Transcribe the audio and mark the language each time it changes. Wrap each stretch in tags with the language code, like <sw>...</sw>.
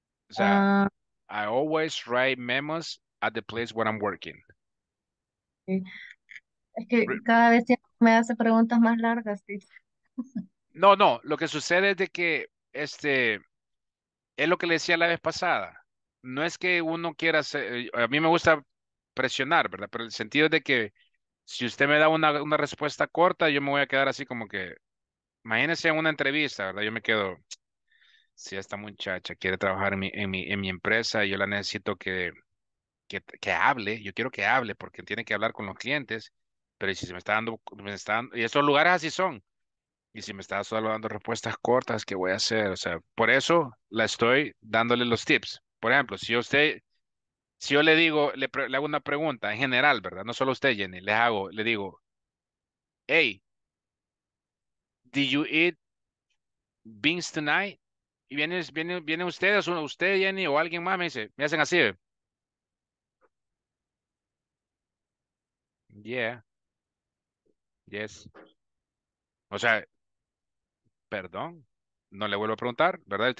<es>O sea,</es> <en>I always write memos at the place where I'm working.</en> <es>Es que cada vez me hace preguntas más largas, sí. No, lo que sucede es de que, es lo que le decía la vez pasada, no es que uno quiera hacer, a mí me gusta presionar, ¿verdad? Pero el sentido es de que si usted me da una respuesta corta, yo me voy a quedar así como que, imagínese en una entrevista, ¿verdad? Yo me quedo, si esta muchacha quiere trabajar en mi empresa, yo la necesito que hable, yo quiero que hable porque tiene que hablar con los clientes, pero si se me está dando, y estos lugares así son. Y si me está solo dando respuestas cortas, ¿qué voy a hacer? O sea, por eso la estoy dándole los tips. Por ejemplo, si yo le digo, le hago una pregunta en general, ¿verdad? No solo a usted, Jenny. Le digo,</es> <en>hey, did you eat beans tonight?</en> <es>Y viene ustedes, usted, Jenny, o alguien más, me dice, me hacen así.</es> <en>Yeah. Yes.</en> <es>O sea, perdón, no le vuelvo a preguntar, ¿verdad?</es>